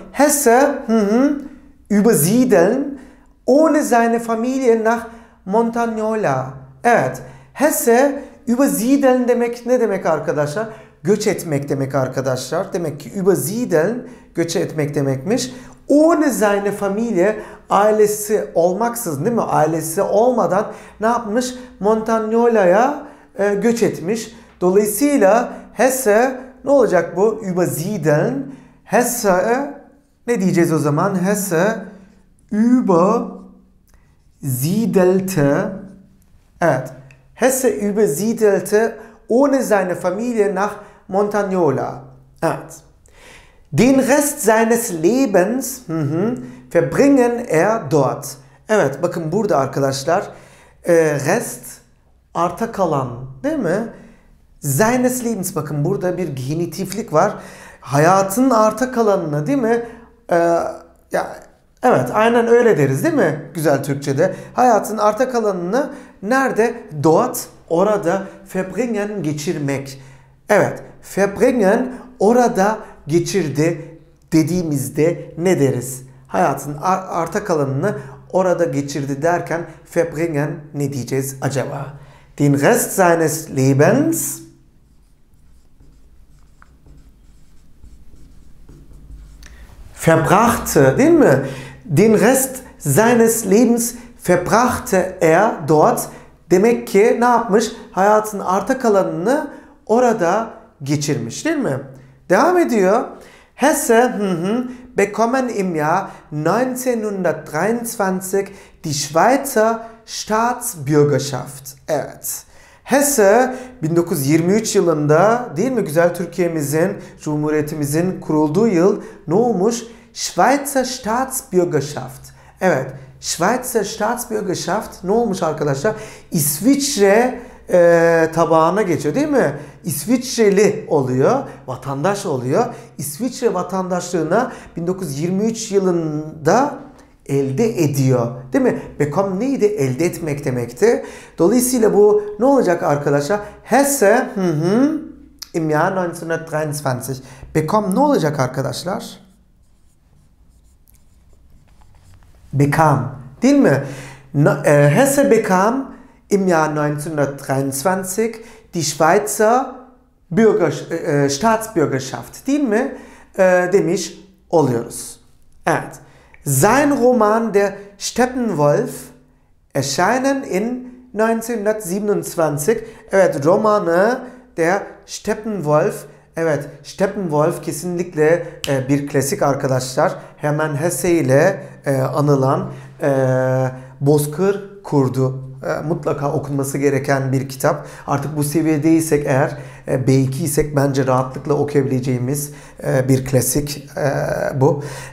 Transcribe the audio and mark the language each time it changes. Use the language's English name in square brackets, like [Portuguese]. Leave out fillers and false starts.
[German] Hesse übersiedeln ohne seine Familie nach Montagnola. [Turkish] Evet, Hesse übersiedeln demek ne demek arkadaşlar? Göç etmek demek arkadaşlar. Demek ki übersiedeln göç etmek demekmiş. [German] Ohne seine Familie, [Turkish] ailesi olmaksızın, değil mi? Ailesi olmadan ne yapmış? Montagnola'ya göç etmiş. Dolayısıyla Hesse, ne olacak bu? Übersiedeln. Hesse, ne diyeceğiz o zaman? [German] Hesse übersiedelte. Evet. Hesse übersiedelte ohne seine Familie nach Montagnola. Evet. Den Rest seines Lebens verbringen dort. [Turkish] Evet, bakın burada arkadaşlar rest, arta kalan, değil mi? [German] Seines Lebens, [Turkish] bakın burada bir genitiflik var. Hayatın arta kalanını, değil mi? Ya, evet, aynen öyle deriz, değil mi? Güzel Türkçe'de. Hayatın arta kalanını nerede? Dort, orada verbringen, geçirmek. Evet, verbringen, orada geçirdi dediğimizde ne deriz? Hayatın arta kalanını orada geçirdi derken verbringen ne diyeceğiz acaba? [German] Den Rest seines Lebens verbrachte, [Turkish] değil mi? [German] Den Rest seines Lebens verbrachte dort. [Turkish] Demek ki ne yapmış? Hayatın arta kalanını orada geçirmiş, değil mi? Devam ediyor. [German] Hesse bekommen im Jahr 1923 die Schweizer Staatsbürgerschaft. [Turkish] Evet. Hesse 1923 yılında, değil mi, güzel Türkiye'mizin, Cumhuriyetimizin kurulduğu yıl ne olmuş? [German] Schweizer Staatsbürgerschaft. [Turkish] Evet. [German] Schweizer Staatsbürgerschaft [Turkish] ne olmuş arkadaşlar? İsviçre tabağına geçiyor, değil mi? İsviçreli oluyor, vatandaş oluyor. İsviçre vatandaşlığına 1923 yılında elde ediyor, değil mi? Bekam neydi? Elde etmek demekti. Dolayısıyla bu ne olacak arkadaşlar? [German] Hesse im Jahr 1923. [Turkish] Bekam ne olacak arkadaşlar? Bekam, değil mi? [German] Hesse bekam im Jahr 1923 die Schweizer Bürger, Staatsbürgerschaft, [Turkish] değil mi? Demiş oluyoruz. Evet. [German] Sein Roman Der Steppenwolf erscheinen in 1927. [Turkish] Evet, romanı Der Steppenwolf. Evet, Steppenwolf kesinlikle bir klasik arkadaşlar. Hermann Hesse ile anılan Bozkır Kurdu. Mutlaka okunması gereken bir kitap. Artık bu seviyedeysek eğer, B2 isek bence rahatlıkla okuyabileceğimiz bir klasik bu.